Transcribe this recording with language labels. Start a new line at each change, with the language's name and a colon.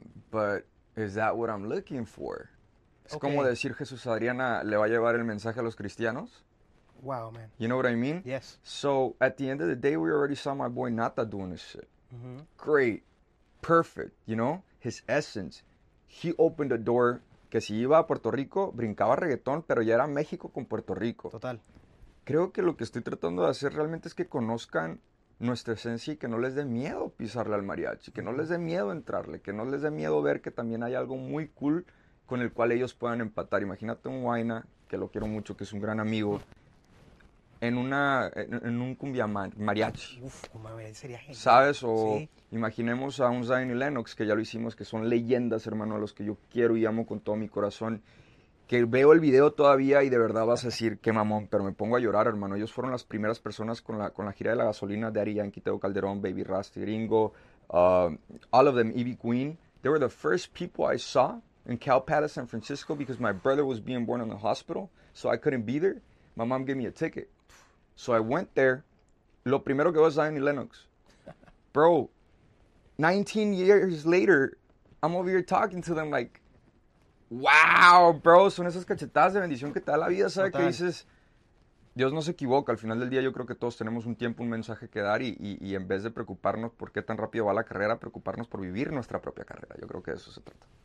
English: But is that what I'm looking for?
Spanish: Es como
English: Okay.
Spanish: decir Jesús Adriana le va a llevar el mensaje a los cristianos.
English: Wow, man. You know what I mean? Yes. So at the end of the day, we already saw my boy Nata doing this shit. Great. Perfect. You know? His essence. He opened the door.
Spanish: Que si iba a Puerto Rico, brincaba reggaetón, pero ya era México con Puerto Rico. Total. Creo que lo que estoy tratando de hacer realmente es que conozcan nuestra esencia y que no les dé miedo pisarle al mariachi, que no les dé miedo entrarle, que no les dé miedo ver que también hay algo muy cool con el cual ellos puedan empatar. Imagínate un Huayna, que lo quiero mucho, que es un gran amigo, en un cumbia mariachi. Uf, como a ver, sería genial, ¿Sabes? O ¿sí? imaginemos a un Zion y Lennox, que ya lo hicimos, que son leyendas, hermano, a los que yo quiero y amo con todo mi corazón. Que veo el video todavía y de verdad vas a decir, qué mamón, pero me pongo a llorar, hermano. Ellos fueron las primeras personas con la gira de la gasolina, Daddy Yankee, Tego Calderón, Baby Rasty, Gringo,
English: all of them,
Spanish: Ivy Queen.
English: They were the first people I saw in Cal Poly, San Francisco, because my brother was being born in the hospital, so I couldn't be there. My mom gave me a ticket. So I went there.
Spanish: Lo primero que veo es Zion y Lennox.
English: Bro, 19 years later, I'm over here talking to them like, wow, bro,
Spanish: son esas cachetadas de bendición que te da la vida, ¿sabes? Que Total. dices, Dios no se equivoca, al final del día yo creo que todos tenemos un tiempo, un mensaje que dar y en vez de preocuparnos por qué tan rápido va la carrera, preocuparnos por vivir nuestra propia carrera, yo creo que de eso se trata.